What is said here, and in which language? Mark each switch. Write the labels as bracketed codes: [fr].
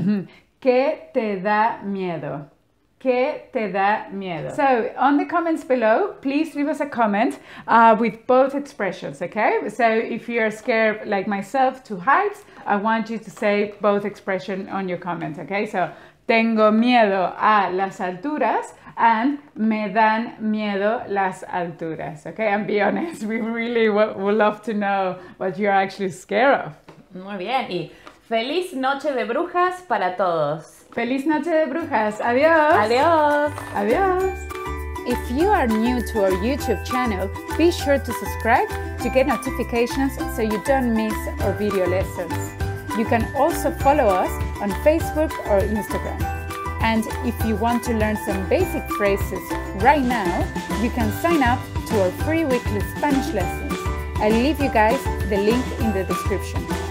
[es] Mm-hmm. Que te da miedo. ¿Qué te da miedo? [en] So, on the comments below, please leave us a comment with both expressions, okay? So, if you're scared, like myself, to heights, I want you to say both expressions on your comment, okay? [es] So, tengo miedo a las alturas and me dan miedo las alturas, okay? [en] And be honest, we really would love to know what you're actually scared of. [es] Muy bien. Y feliz noche de brujas para todos. Feliz noche de brujas. Adiós. Adiós. Adiós. [en] If you are new to our YouTube channel, be sure to subscribe to get notifications so you don't miss our video lessons. You can also follow us on Facebook or Instagram. And if you want to learn some basic phrases right now, you can sign up to our free weekly Spanish lessons. I'll leave you guys the link in the description.